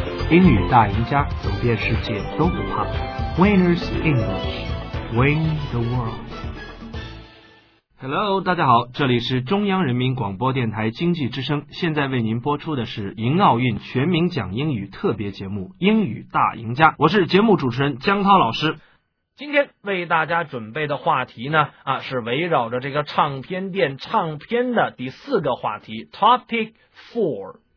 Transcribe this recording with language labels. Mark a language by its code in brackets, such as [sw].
[zh] 英语大赢家，走遍世界都不怕。 [en] Winners English, win the world. [zh] Hello, 大家好，这里是中央人民广播电台经济之声，现在为您播出的是迎奥运全民讲英语特别节目《英语大赢家》，我是节目主持人江涛老师。今天为大家准备的话题呢，是围绕着这个唱片店唱片的第四个话题 ，Topic Four。